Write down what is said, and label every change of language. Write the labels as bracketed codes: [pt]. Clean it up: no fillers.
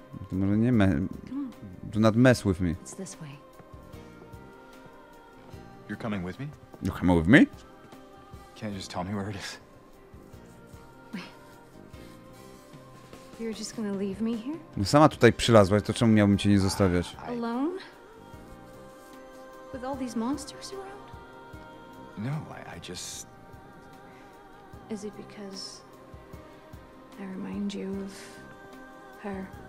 [pl] To może nie [en] me... Do not mess with me. It's this way. You're coming with me? You come with me? Can't you just tell me where it is? Wait. You're just gonna leave me here? [pl] No sama tutaj przylazłaś, to czemu miałbym cię nie zostawiać? [en] Alone? With all these monsters around? No, I just... Is it because I remind you of her?